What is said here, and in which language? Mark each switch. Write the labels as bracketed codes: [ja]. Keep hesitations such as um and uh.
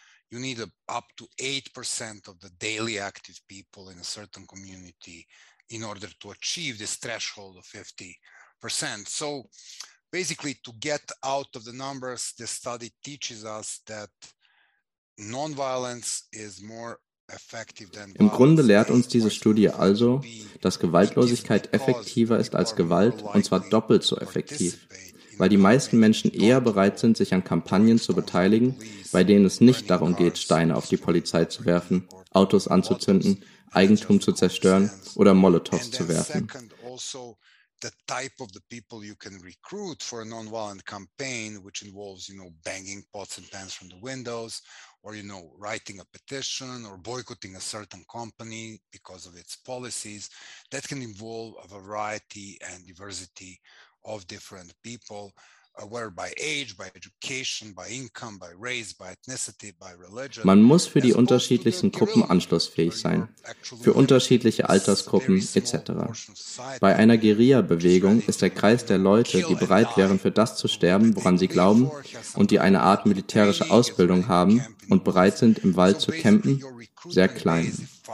[en] you need a, up to 8% of the daily active people in a certain community in order to achieve this threshold of 50%. So basically, to get out of the numbers, this study teaches us that nonviolence is more [de] Im Grunde lehrt uns diese Studie also, dass Gewaltlosigkeit effektiver ist als Gewalt und zwar doppelt so effektiv, weil die meisten Menschen eher bereit sind, sich an Kampagnen zu beteiligen, bei denen es nicht darum geht, Steine auf die Polizei zu werfen, Autos anzuzünden, Eigentum zu zerstören oder Molotows zu werfen. [en] The type of the people you can recruit for a nonviolent campaign, which involves, you know, banging pots and pans from the windows, or you know, writing a petition or boycotting a certain company because of its policies, that can involve a variety and diversity of different people, uh, whether by age, by education, by income, by race, by ethnicity, by religion. [de] Man muss für die unterschiedlichsten Gruppen anschlussfähig sein, für unterschiedliche Altersgruppen etc. Bei einer Guerilla-Bewegung ist der Kreis der Leute, die bereit wären, für das zu sterben, woran sie glauben, und die eine Art militärische Ausbildung haben und bereit sind, im Wald zu campen, sehr klein.